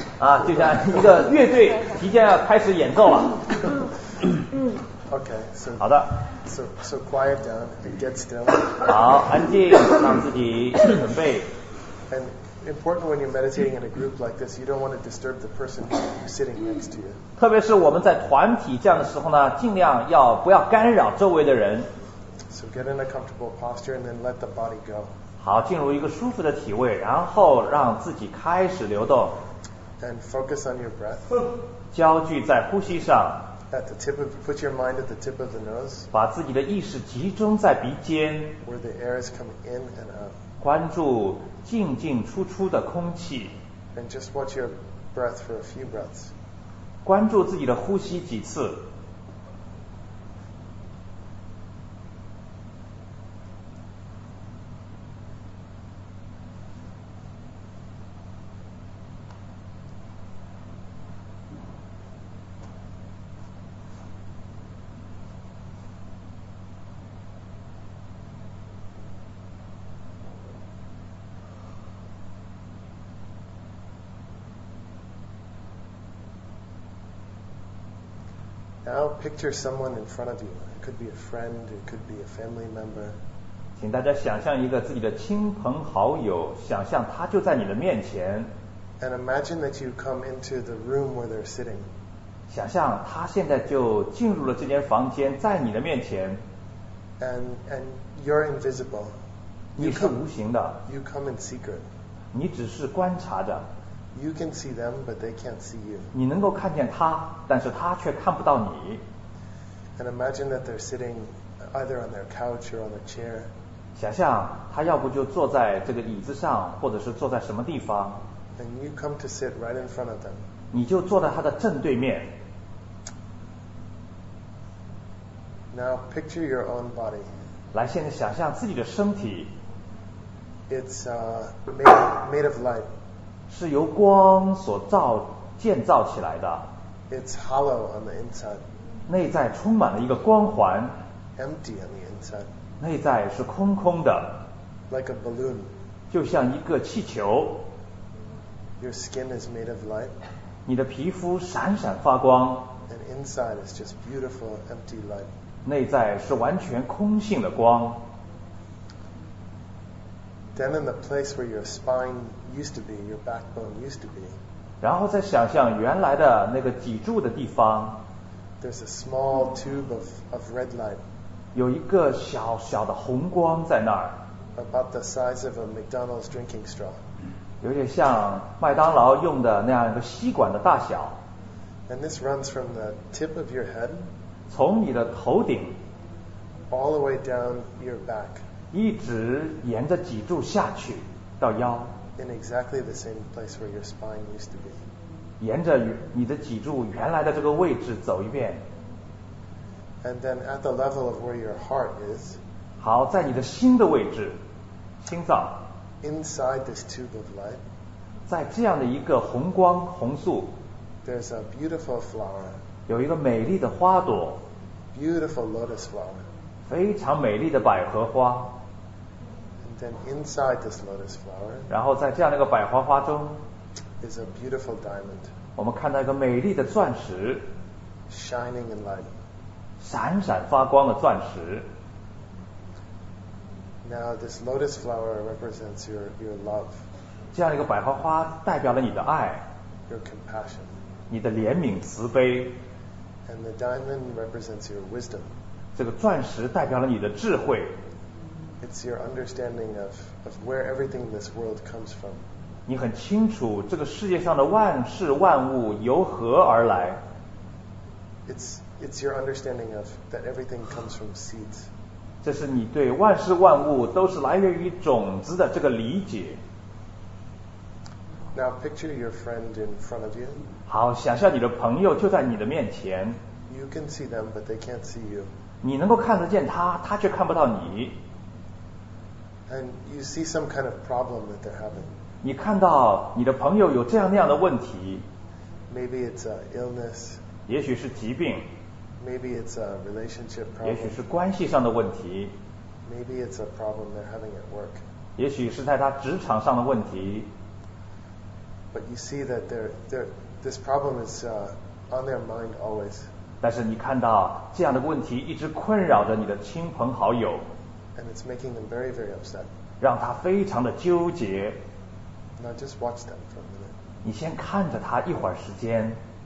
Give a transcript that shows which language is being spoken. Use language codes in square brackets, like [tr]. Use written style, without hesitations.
[zh] 啊，就像一个乐队即将要开始演奏了。 [en] Okay. So. [zh] 好的。 [en] So quiet down and get still. [zh] 好，安静，让自己准备。 [en] And important when you're meditating in a group like this, you don't want to disturb the person sitting next to you. [zh] 特别是我们在团体这样的时候呢，尽量要不要干扰周围的人。 [en] So get in a comfortable posture and then let the body go. [zh] 好，进入一个舒服的体位，然后让自己开始流动。 [en] And focus on your breath. [zh] 焦聚在呼吸上。 [en] Put your mind at the tip of the nose. [zh] 把自己的意识集中在鼻尖。 [en] Where the air is coming in and out. [zh] 关注进进出出的空气。 [en] And just watch your breath for a few breaths. [zh] 关注自己的呼吸几次。 [en] Now picture someone in front of you. It could be a friend. It could be a family member. [zh] 请大家想象一个自己的亲朋好友，想象他就在你的面前。 [en] And imagine that you come into the room where they're sitting. [zh] 想象他现在就进入了这间房间，在你的面前。 [en] And you're invisible. [zh] 你是无形的。 [en] You come in secret. [zh] 你只是观察着。 [en] You can see them, but they can't see you. [zh] 你能够看见他，但是他却看不到你。 [en] And imagine that they're sitting either on their couch or on their chair. [zh] 想象他要不就坐在这个椅子上，或者是坐在什么地方。 [en] And you come to sit right in front of them. [zh] 你就坐在他的正对面。 [en] Now picture your own body. [zh] 来，现在想象自己的身体。 [en] It's made of light. [zh] 是由光所造建造起来的。 [en] It's hollow on the inside. [zh] 内在充满了一个光环。 [en] Empty on the inside. [zh] 内在是空空的。 [en] Like a balloon. [zh] 就像一个气球。 [en] Your skin is made of light. [zh] 你的皮肤闪闪发光。 [en] And inside is just beautiful empty light. [zh] 内在是完全空性的光。 [en] Then in the place where your spine used to be, your backbone used to be. [zh] 然后再想象原来的那个脊柱的地方。 [en] There's a small tube of red light. [zh] 有一个小小的红光在那儿。 [en] About the size of a McDonald's drinking straw. [zh] 有点像麦当劳用的那样一个吸管的大小。 [en] And this runs from the tip of your head. [zh] 从你的头顶 [en] all the way down your back, [zh] 一直沿着脊柱下去到腰 [en] in exactly the same place where your spine used to be. [zh] 沿着你的脊柱原来的这个位置走一遍 [en] and then at the level of where your heart is, [zh] 好，在你的心的位置，心脏 [en] inside this tube of light, [zh] 在这样的一个红光红素 [en] there's a beautiful flower. [zh] 有一个美丽的花朵 [en] beautiful lotus flower [zh] 非常美丽的百合花 [en] and then inside this lotus flower [zh] 然后在这样的一个百合花中 [en] is a beautiful diamond [zh] 我们看到一个美丽的钻石 [en] shining in light [zh] 闪闪发光的钻石 [en] now this lotus flower represents your love [zh] 这样一个百合花代表了你的爱 [en] your compassion [zh] 你的怜悯慈悲 [en] And the diamond represents your wisdom. [zh] 这个钻石代表了你的智慧。 [en] It's your understanding of where everything in this world comes from. [zh] 你很清楚这个世界上的万事万物由何而来。 [en] It's your understanding of that everything comes from seeds. [zh] 这是你对万事万物都是来源于种子的这个理解。 [en] Now picture your friend in front of you. [zh] 好，想象你的朋友就在你的面前。 [en] You can see them, but they can't see you. [zh] 你能够看得见他，他却看不到你。 [en] And you see some kind of problem that they're having. [zh] 你看到你的朋友有这样那样的问题。 [en] Maybe it's an illness. [zh] 也许是疾病。 [en] Maybe it's a relationship problem. [zh] 也许是关系上的问题。 [en] Maybe it's a problem they're having at work. [zh] 也许是在他职场上的问题。 [en] But you see that this problem is on their mind always. [zh] 但是你看到这样的问题一直困扰着你的亲朋好友。 [en] And it's making them very, very upset. [zh] 让他非常的纠结。 [en] Now just watch them for a minute. [zh] 你先看着他一会儿时间。